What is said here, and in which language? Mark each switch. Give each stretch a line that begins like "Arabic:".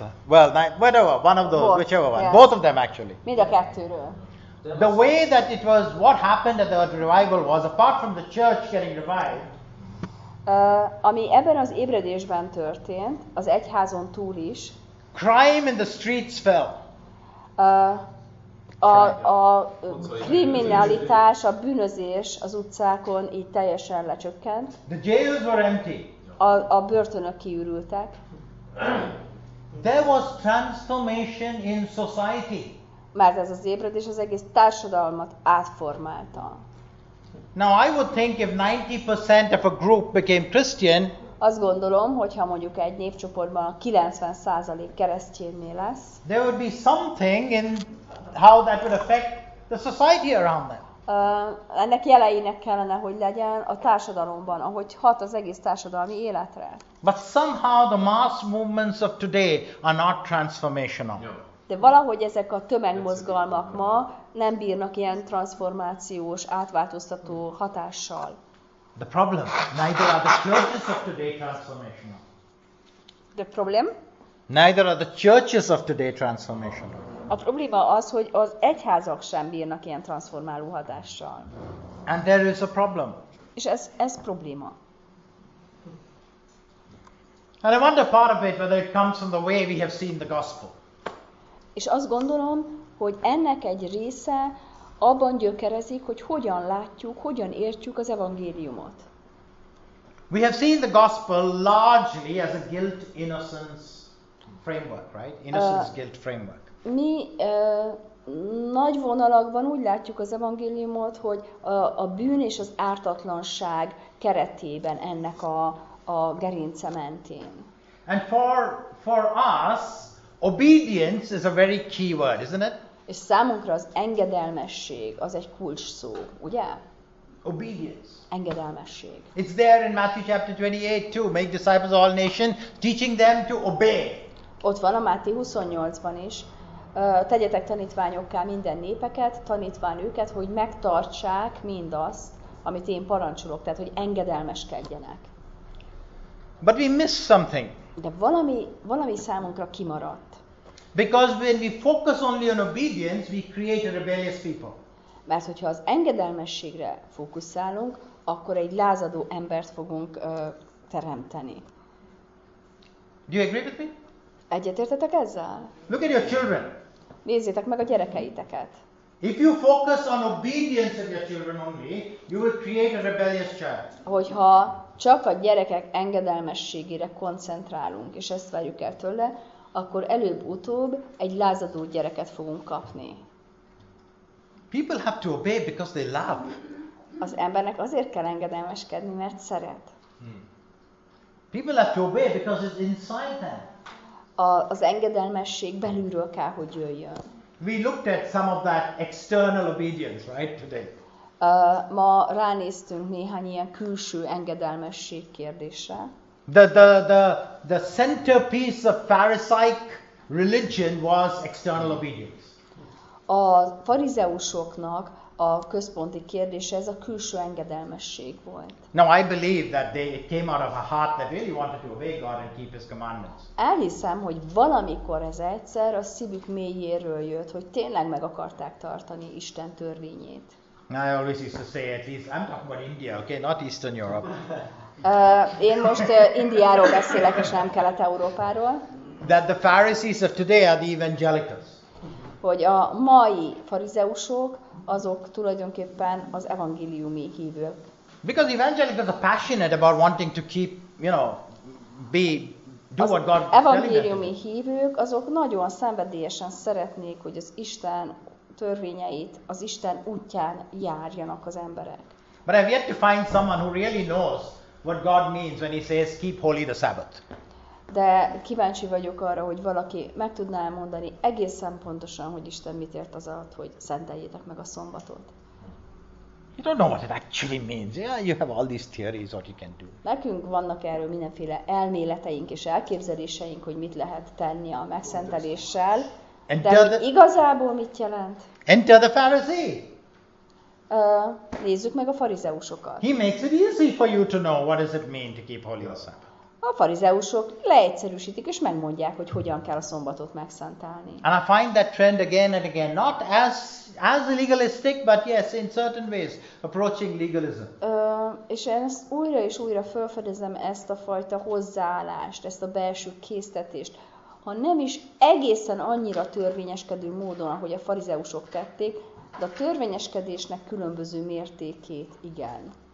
English: Well, whatever, one of those, whichever one. Yeah. Both of them actually.
Hungarian: Mind a kettőről.
English: The way that it was, what happened at the revival was, apart from the church getting revived,
Hungarian: ami ebben az ébredésben történt, az egyházon túl is.
English: Crime in the streets fell.
Hungarian: A kriminalitás, a bűnözés az utcákon így teljesen lecsökkent.
English: The jails were empty.
Hungarian: A börtönök kiürültek.
English: There was transformation in society.
Hungarian: Mert ez az ébredés az egész társadalmat átformálta.
English: Now I would think if 90% of a group became Christian,
Hungarian: azt gondolom, hogyha mondjuk egy népcsoportban 90% keresztyénné lesz,
English: there would be something in how that would affect the society around them.
Hungarian: Ennek jeleinek kellene, hogy legyen a társadalomban, ahogy hat az egész társadalmi életre.
English: But somehow the mass movements of today are not transformational.
Hungarian: De valahogy ezek a tömegmozgalmak ma nem bírnak ilyen transformációs, átváltoztató hatással.
English: The problem, neither are the churches of today transformational. The problem? Neither are the churches of today transformational.
Hungarian: A probléma az, hogy az egyházak sem bírnak ilyen transformáló hatással.
English: And there is a problem.
Hungarian: És ez probléma.
English: And I wonder part of it whether it comes from the way we have seen the gospel.
Hungarian: És azt gondolom, hogy ennek egy része abban gyökerezik, hogy hogyan látjuk, hogyan értjük az evangéliumot.
English: We have seen the gospel largely as a guilt innocence framework, right? Innocence guilt framework.
Hungarian: Mi nagy vonalakban úgy látjuk az evangéliumot, hogy a bűn és az ártatlanság keretében ennek a gerince mentén.
English: And for us, obedience is a very key word, isn't it?
Hungarian: És számunkra az engedelmesség az egy kulcsszó, ugye?
English: Obedience.
Hungarian: Engedelmesség.
English: It's there in Matthew chapter 28 too. Make disciples of all nations, teaching them to obey.
Hungarian: Ott van a Máté 28-ban is. Tegyetek tanítványokká minden népeket, tanítván őket, hogy megtartsák mindazt, amit én parancsolok, tehát hogy engedelmeskedjenek.
English: But we miss something.
Hungarian: De valami számunkra kimaradt.
English: Because when we focus only on obedience, we create a rebellious people.
Hungarian: Mert hogyha az engedelmességre fókuszálunk, akkor egy lázadó embert fogunk teremteni.
English: Do you agree with me?
Hungarian: Egyetértetek ezzel?
English: Look at your children.
Hungarian: Nézzétek meg a gyerekeiteket.
English: If you focus on obedience of your children only, you will create a rebellious child.
Hungarian: Hogyha csak a gyerekek engedelmességére koncentrálunk, és ezt várjuk el tőle, akkor előbb-utóbb egy lázadó gyereket fogunk kapni.
English: People have to obey because they love.
Hungarian: Az embernek azért kell engedelmeskedni, mert szeret.
English: People have to obey because it's inside them.
Hungarian: az engedelmesség belülről kell, hogy jöjjön.
English: We looked at some of that external obedience, right, today.
Hungarian: Ma ránéztünk néhány ilyen külső engedelmesség kérdésre.
English: The centerpiece of Pharisaic religion was external obedience.
Hungarian: A farizeusoknak a központi kérdése ez a külső engedelmesség volt.
English: Now I believe that they it came out of a heart that really wanted to obey God and keep His commandments.
Hungarian: Elhiszem, hogy valamikor ez egyszer a szívük mélyéről jött, hogy tényleg meg akarták tartani Isten törvényét.
English: I always used to say, at least I'm talking about India, okay, not Eastern Europe.
Hungarian: Én most Indiáról beszélek, és nem Kelet-Európáról.
English: That the Pharisees of today are the evangelicals.
Hungarian: Hogy a mai farizeusok azok tulajdonképpen az evangéliumi hívők.
English: Because evangelicals are passionate about wanting to keep, you know, be do what God tells them.
Hungarian: Evangéliumi hívők azok nagyon szenvedélyesen szeretnék, hogy az Isten törvényeit, az Isten útján járjanak az emberek.
English: But I've yet to find someone who really knows what God means when He says keep holy the Sabbath.
Hungarian: De kíváncsi vagyok arra, hogy valaki meg tudná elmondani egészen pontosan, hogy Isten mit ért az alatt, hogy szenteljétek meg a szombatot.
English: You don't know what it actually means. Yeah, you have all these theories what you can do.
Hungarian: Nekünk vannak erről mindenféle elméleteink és elképzeléseink, hogy mit lehet tenni a megszenteléssel. De igazából mit jelent?
English: Enter the Pharisee.
Hungarian: Nézzük meg a farizeusokat.
English: He makes it easy for you to know what does it mean to keep holy the Sabbath.
Hungarian: A farizeusok leegyszerűsítik és megmondják, hogy hogyan kell a szombatot megszentelni.
English: And I find that trend again and again, not as legalistic, but yes, in certain ways approaching legalism.
Hungarian: És én ezt újra és újra felfedezem ezt a fajta hozzáállást, ezt a belső késztetést, ha nem is egészen annyira törvényeskedő módon, ahogy a farizeusok tették, de a törvényeskedésnek különböző mértékét igen.